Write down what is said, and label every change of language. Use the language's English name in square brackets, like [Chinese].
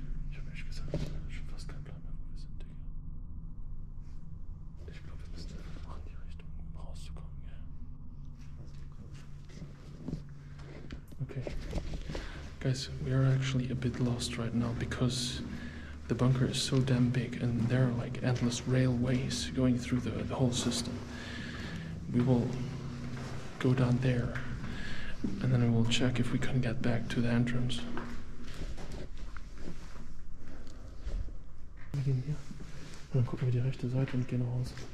[German] Ich hab ehrlich gesagt schon fast keinen Plan mehr, wo wir sind, Digga. Ich glaube, wir müssen einfach machen, die Richtung, um rauszukommen, gell? Okay. [English] Guys, we are actually a bit lost right now because the bunker is so damn big and there are like endless railways going through the whole system. We will go down there and then we will check if we can get back to the entrance. [German] Wir gehen hier und dann gucken wir die rechte Seite und gehen raus.